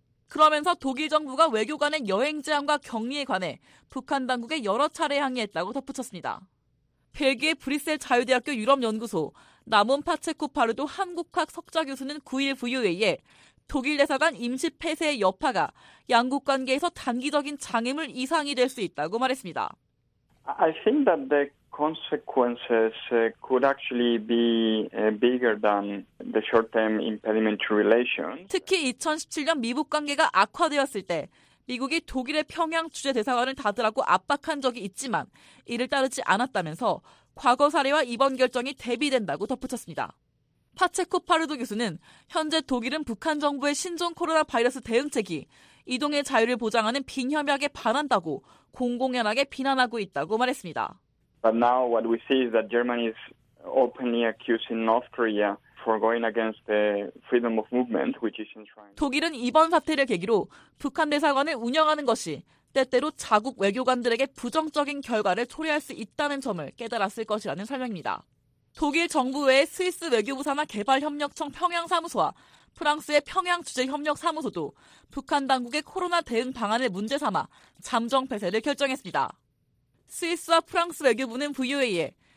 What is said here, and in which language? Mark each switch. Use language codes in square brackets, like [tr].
[ko] 그러면서 독일 정부가 외교관의 여행 제한과 격리에 관해 북한 당국에 여러 차례 항의했다고 덧붙였습니다. 벨기에 브뤼셀 자유대학교 유럽연구소 나몬 파체코파르도 한국학 석좌 교수는 9일 VOA에 독일 대사관 임시 폐쇄의 여파가 양국 관계에서 단기적인 장애물 이상이 될 수 있다고 말했습니다. [en] I think that the consequences could actually be bigger than the short-term impediment relation. [ko] 특히 2017년 미국 관계가 악화되었을 때 미국이 독일의 평양 주재 대사관을 닫으라고 압박한 적이 있지만 이를 따르지 않았다면서 과거 사례와 이번 결정이 대비된다고 덧붙였습니다. 파체코 파르도 교수는 현재 독일은 북한 정부의 신종 코로나 바이러스 대응책이 이동의 자유를 보장하는 빈협약에 반한다고 공공연하게 비난하고 있다고 말했습니다. [en] But now what we see is that Germany is openly accusing North Korea for going against the freedom of movement, which is enshrined. [ko] 독일은 이번 사태를 계기로 북한 대사관을 운영하는 것이 때때로 자국 외교관들에게 부정적인 결과를 초래할 수 있다는 점을 깨달았을 것이라는 설명입니다. 독일 정부 외에 스위스 외교부 산하 개발협력청 평양사무소와 프랑스의 평양주재협력사무소도 북한 당국의 코로나 대응 방안을 문제 삼아 잠정 폐쇄를 결정했습니다. 스위스와 프랑스 외교부는 VOA에